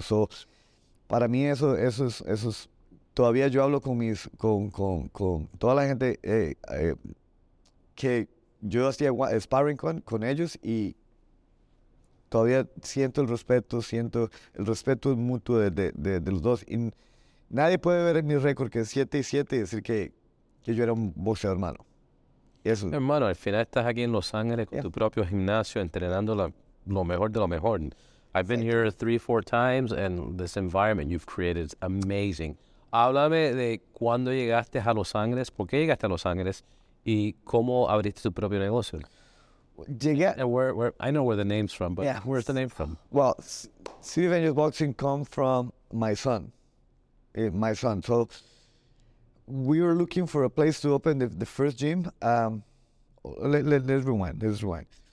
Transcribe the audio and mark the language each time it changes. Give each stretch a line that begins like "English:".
Spanish: So, para mí eso es todavía yo hablo con toda la gente que yo hacía sparring con ellos y todavía siento el respeto mutuo de los dos. Y nadie puede ver en mi récord que es 7-7 y decir que yo era un boxeador hermano. Eso. Hermano, al final estás aquí en Los Ángeles con tu propio gimnasio entrenando lo mejor de lo mejor.
English: I've been here 3-4 times, and this environment you've created is amazing.
Spanish: Háblame de cuando llegaste a Los Ángeles, por qué llegaste a Los Ángeles, y cómo abriste tu propio negocio. Llegué,
English: and where I know where the name's from, but yeah. Where's the name from? Well, City Avengers Boxing come from my son. So we were looking for a place to open the first gym. Let's rewind.